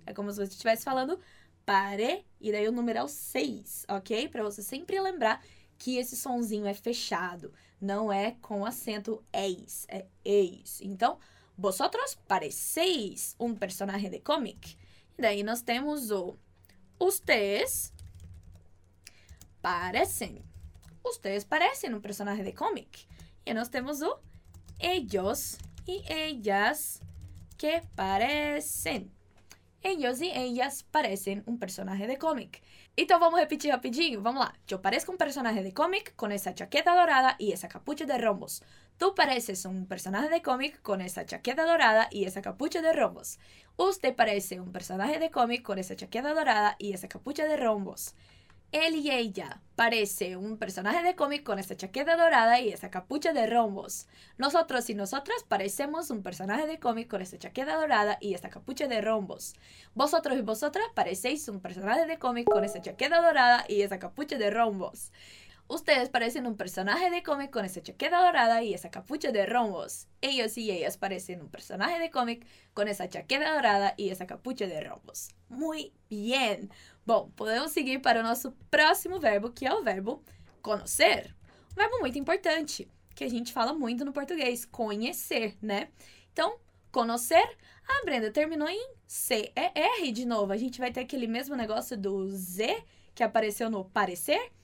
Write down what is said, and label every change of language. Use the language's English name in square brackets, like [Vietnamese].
[Portuguese] É como se você estivesse falando pare e daí o numeral 6, ok? Para você sempre lembrar que esse sonzinho é fechado. Não é com acento eis. É eis. [Spanish] Então, vosotros parecéis un personaje de cómic. [Portuguese] Daí nós temos o [Spanish] ustedes parecen. Ustedes parecen un personaje de cómic. [Portuguese] E nós temos o [Spanish] ellos y ellas que parecen. Ellos y ellas parecen un personaje de cómic. [Portuguese] Então vamos repetir rapidinho. Vamos lá. [Spanish] Yo parezco un personaje de cómic con esa chaqueta dorada y esa capucha de rombos. Tú pareces un personaje de cómic con esa chaqueta dorada y esa capucha de rombos. Usted parece un personaje de cómic con esa chaqueta dorada y esa capucha de rombos. Él y ella parece un personaje de cómic con esa chaqueta dorada y esa capucha de rombos. Nosotros y nosotras parecemos un personaje de cómic con esa chaqueta dorada y esa capucha de rombos. Vosotros y vosotras parecéis un personaje de cómic con esa chaqueta dorada y esa capucha de rombos. Ustedes parecen un personaje de cómic con esa chaqueta dorada y esa capucha de rombos. Ellos y ellas parecen un personaje de cómic con esa chaqueta dorada y esa capucha de rombos. Muy bien. [Portuguese] Bom, podemos seguir para o nosso próximo verbo, que é o verbo conocer. Um verbo muito importante, que a gente fala muito no português, conhecer, né? Então, conocer. Ah, Brenda, terminou em CER de novo. A gente vai ter aquele mesmo negócio do Z que apareceu no parecer.